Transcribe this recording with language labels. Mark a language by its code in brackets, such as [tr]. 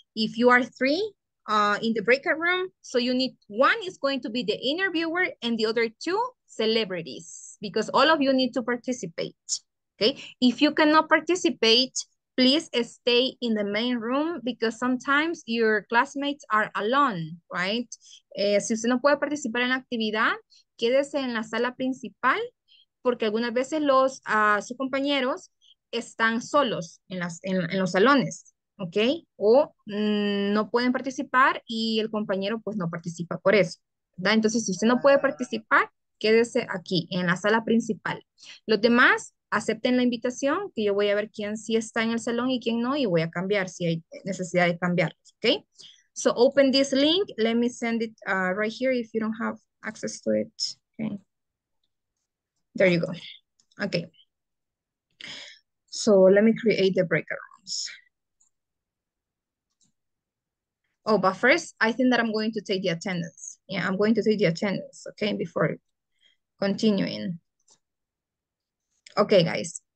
[en] If you are three in the breakout room, so you need, one is going to be the interviewer and the other two celebrities, because all of you need to participate, okay? If you cannot participate, please stay in the main room because sometimes your classmates are alone, right? [es] Si usted no puede participar en la actividad, quédese en la sala principal porque algunas veces los sus compañeros están solos en los salones, okay? O no pueden participar y el compañero pues no participa por eso, ¿verdad? Entonces, si usted no puede participar, quédese aquí, en la sala principal. Los demás, acepten la invitación, que yo voy a ver quién sí está en el salón y quién no, y voy a cambiar si hay necesidad de cambiar, okay? [en] So open this link, let me send it right here if you don't have access to it, okay? There you go, okay. So let me create the breakout rooms. Oh, but first, I think that I'm going to take the attendance. Yeah, I'm going to take the attendance, okay, before continuing. Okay, guys.